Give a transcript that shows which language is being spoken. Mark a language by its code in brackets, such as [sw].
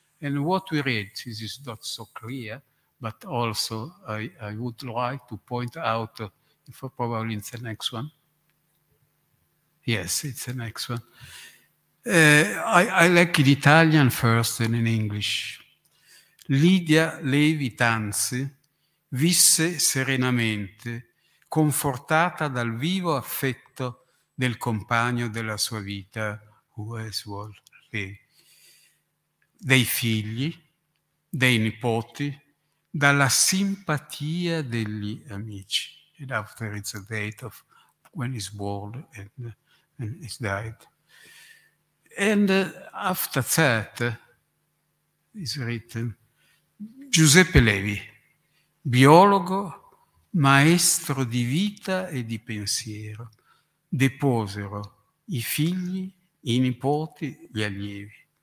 [en] And what we read, this is not so clear, but also I would like to point out, for probably in the next one. Yes, it's the next one. I like in Italian first and in English. [it] Lydia Levi Tanzi visse serenamente, confortata dal vivo affetto del compagno della sua vita, dei figli, dei nipoti, dalla simpatia degli amici. [en] And after it's the date of when he's born and he's died. And after that, is written, [it] Giuseppe Levi, biologo, maestro di vita e di pensiero, deposero i figli, i nipoti, gli allievi.